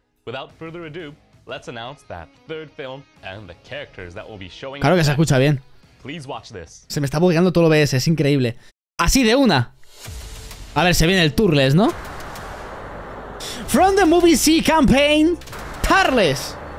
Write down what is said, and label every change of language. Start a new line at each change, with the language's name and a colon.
English: Without further ado, let's announce that third film and the characters that will be showing...
Spanish: Claro que se escucha bien.
English: Please watch this.
Spanish: Se me está bugueando todo el OBS, es increíble. Así de una. A ver, se viene el Turles, ¿no?
English: From the movie Sea Campaign, Turles.